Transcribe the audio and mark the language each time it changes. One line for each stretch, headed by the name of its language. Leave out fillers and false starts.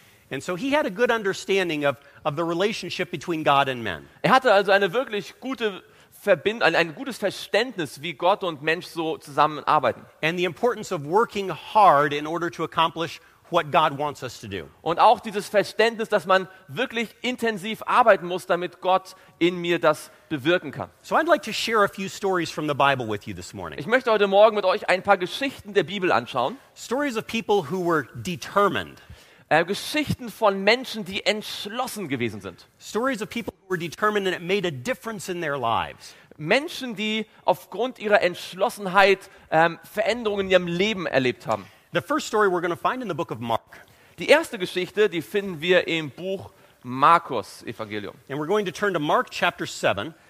English: And so he had a good understanding of the relationship between God and man.
German: Er hatte also eine wirklich gute ein gutes Verständnis, wie Gott und Mensch so zusammenarbeiten.
English: And the importance of working hard in order to accomplish what God wants us to do.
German: Und auch dieses Verständnis, dass man wirklich intensiv arbeiten muss, damit Gott in mir das bewirken kann.
English: So I'd like to share a few stories from the Bible with you this morning.
German: Ich möchte heute Morgen mit euch ein paar Geschichten der Bibel anschauen.
English: Stories of people who were determined.
German: Geschichten von Menschen, die entschlossen gewesen sind.
English: Stories of people who were determined and it made a difference in their lives.
German: Menschen, die aufgrund ihrer Entschlossenheit Veränderungen in ihrem Leben erlebt haben.
English: The first story we're going to find in the book of Mark.
German: Die erste Geschichte, die finden wir im Buch Markus Evangelium.
English: And we're going to turn to Mark chapter 7.